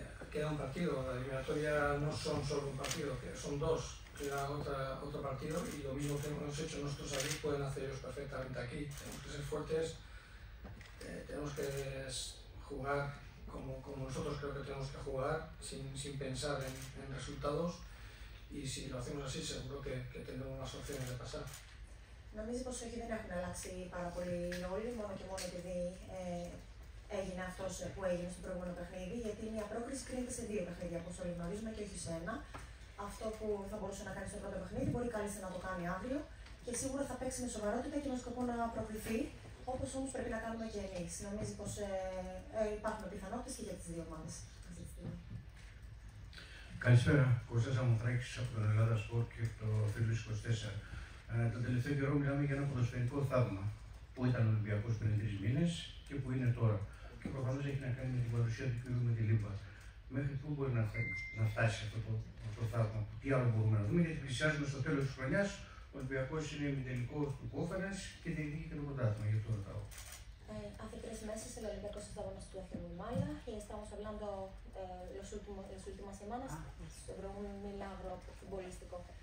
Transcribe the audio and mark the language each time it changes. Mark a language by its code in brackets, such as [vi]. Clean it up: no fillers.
[es] Queda un partido, la eliminatoria no son solo un partido, son dos, queda otro partido y lo mismo que hemos hecho nosotros aquí pueden hacer ellos perfectamente aquí. Tenemos que ser fuertes, tenemos que jugar como nosotros creo que tenemos que jugar, sin pensar en resultados. Y si lo hacemos así, seguro que tendremos más opciones de pasar. [el] Νομίζω πως όχι δεν έχουν αλλάξει πάρα πολύ όλοι, μόνο και μόνο επειδή έγινε αυτό που έγινε στο προηγούμενο παιχνίδι. Γιατί μια πρόκριση κρίνεται σε δύο παιχνίδια, όπως όλοι γνωρίζουμε, και όχι σε ένα. Αυτό που θα μπορούσε να κάνει στο πρώτο παιχνίδι μπορεί κάλλιστα να το κάνει αύριο και σίγουρα θα παίξει με σοβαρότητα και με σκοπό να προκριθεί, όπως όμως πρέπει να κάνουμε και εμείς. Νομίζω πως υπάρχουν πιθανότητες και για τις δύο ομάδες. Καλησπέρα. Κωστάς Αμουθράκης από τον Ελλάδα Σπορ και το Φίλους 24. Τον τελευταίο καιρό μιλάμε για ένα ποδοσφαιρικό θαύμα που ήταν ο Ολυμπιακός πριν 3 μήνες και που είναι τώρα. Και προφανώς έχει να κάνει με την παρουσία του κύριου Μεντιλίμπα. Μέχρι πού μπορεί να φτάσει αυτό το θαύμα, τι άλλο μπορούμε να δούμε, γιατί πλησιάζουμε στο τέλος της χρονιάς. Ο Ολυμπιακός είναι ημιτελικό του κόφερας και δεν είναι και το πρωτάθλημα, γι' αυτό ρωτάω. [es] Hace tres meses el Olympiacos estaba en la situación muy mala y estamos hablando las últimas semanas sobre un milagro futbolístico.